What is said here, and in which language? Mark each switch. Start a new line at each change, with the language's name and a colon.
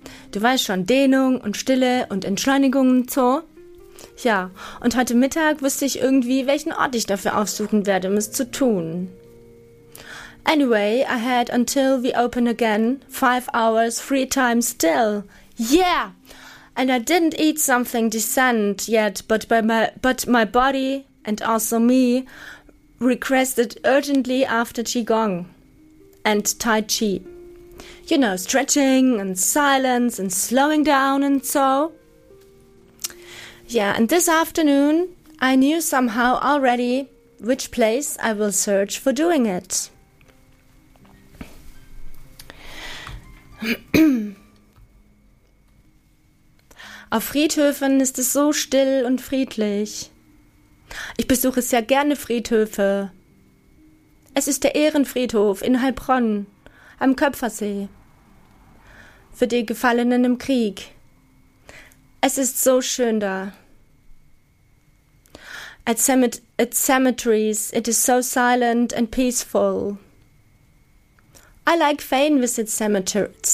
German: Du weißt schon, Dehnung und Stille und Entschleunigung und so. Ja, und heute Mittag wusste ich irgendwie, welchen Ort ich dafür aufsuchen werde, um es zu tun.
English: Anyway, I had until we open again 5 hours free time still. Yeah! And I didn't eat something decent yet, but my body and also me requested urgently after Qigong and Tai Chi. You know, stretching and silence and slowing down and so. Yeah, and this afternoon I knew somehow already which place I will search for doing it.
German: Auf Friedhöfen ist es so still und friedlich. Ich besuche sehr gerne Friedhöfe. Es ist der Ehrenfriedhof in Heilbronn am Köpfersee für die Gefallenen im Krieg. Es ist so schön da.
English: At cemeteries it is so silent and peaceful. I like fane visit cemeteries.